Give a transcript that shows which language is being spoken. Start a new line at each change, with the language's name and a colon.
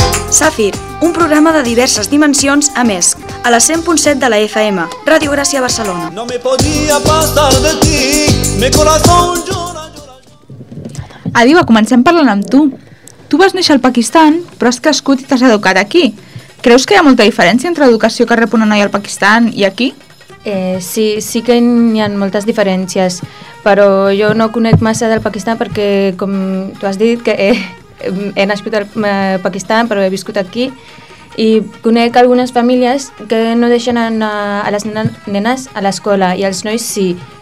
Arabic: سافر
Catalan: un programa de diverses dimensions a més a la 100.7 de la FM Radio Gracia Barcelona
Spanish: no me podía pasar de ti mi corazón yo...
Catalan: Adiba, comencem parlant amb tu. Tu vas néixer al Pakistan, però has crescut i t'has educat aquí. Creus que hi ha molta diferència entre l'educació que rep una noia al Pakistan i aquí? Sí, sí que hi ha moltes diferències, però jo no conec massa del Pakistan perquè, com tu has dit, que he nascut al Pakistan, però he viscut aquí, i conec algunes famílies que no deixen anar a les nenes a l'escola, i els nois sí.